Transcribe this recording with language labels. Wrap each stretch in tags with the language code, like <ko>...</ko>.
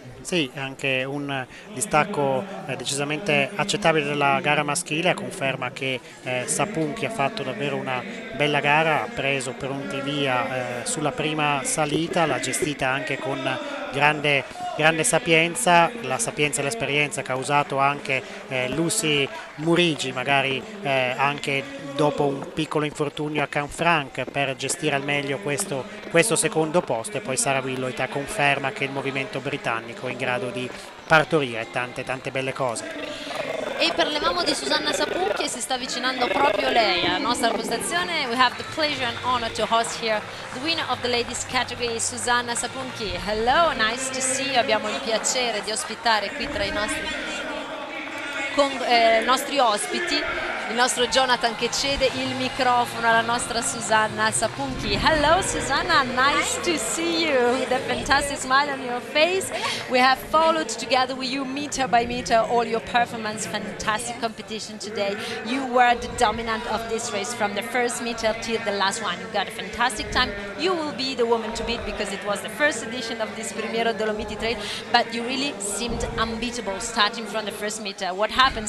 <it>Sì, anche un distacco decisamente accettabile della gara maschile, conferma che Sapunchi ha fatto davvero una bella gara, ha preso per un tivia sulla prima salita, l'ha gestita anche con grande sapienza, la sapienza e l'esperienza ha causato anche Lucy Murigi, magari anche dopo un piccolo infortunio a Canfranc, per gestire al meglio questo secondo posto. E poi Sara Willoit conferma che il movimento britannico è in grado di partorire tante tante belle cose. E parlavamo di Susanna Sapunchi, e si sta avvicinando proprio lei alla nostra postazione.</it> <en>We have the pleasure and honor to host here the winner of the ladies category, Susanna Sapunchi. Hello, nice to see you.</en> <it>Abbiamo il piacere di ospitare qui tra i nostri nostri ospiti il nostro Jonathan, che cede il microfono alla nostra Susanna Sapunchi.</it> <en>Hello, Susanna, nice to see you. With a fantastic smile on your face. We have followed together with you meter by meter all your performance, fantastic competition today. You were the dominant of this race from the first meter till the last one. You got a fantastic time. You will be the woman to beat, because it was the first edition of this Primiero Dolomiti Trail, but you really seemed unbeatable starting from the first meter. What happened?</en>